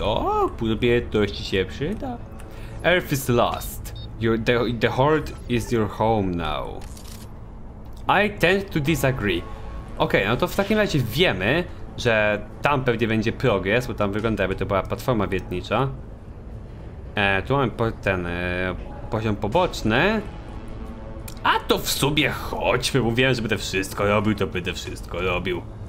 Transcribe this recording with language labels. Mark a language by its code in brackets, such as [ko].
[pl] O, punkt umiejętności się przyda. [en] Earth is lost. The heart is your home now. I tend to disagree. [pl] Okej, okay, no to w takim razie wiemy, że tam pewnie będzie progres, bo tam wygląda, jakby to była platforma wiertnicza. Tu mamy poziom poboczny. A to w sumie chodźmy, mówiłem, że będę wszystko robił, to będę wszystko robił.